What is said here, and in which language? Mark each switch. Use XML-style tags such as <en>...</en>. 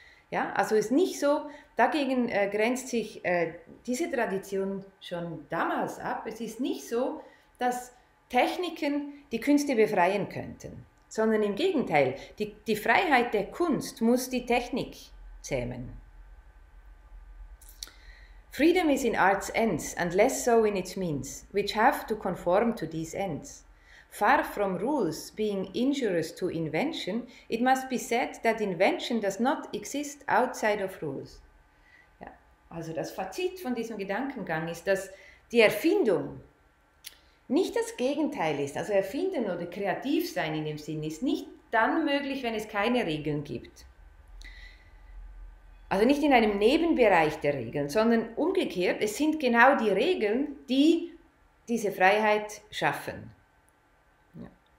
<de>Ja, also ist nicht so, dagegen grenzt sich diese Tradition schon damals ab. Es ist nicht so, dass Techniken die Künste befreien könnten, sondern im Gegenteil, die Freiheit der Kunst muss die Technik zähmen.</de> <en>Freedom is in art's ends and less so in its means, which have to conform to these ends. far from rules being injurious to invention, it must be said that invention does not exist outside of rules.</en> <de>Ja, also das Fazit von diesem Gedankengang ist, dass die Erfindung nicht das Gegenteil ist, also erfinden oder kreativ sein in dem Sinn ist nicht dann möglich, wenn es keine Regeln gibt. Also nicht in einem Nebenbereich der Regeln, sondern umgekehrt, es sind genau die Regeln, die diese Freiheit schaffen. Ja.</de>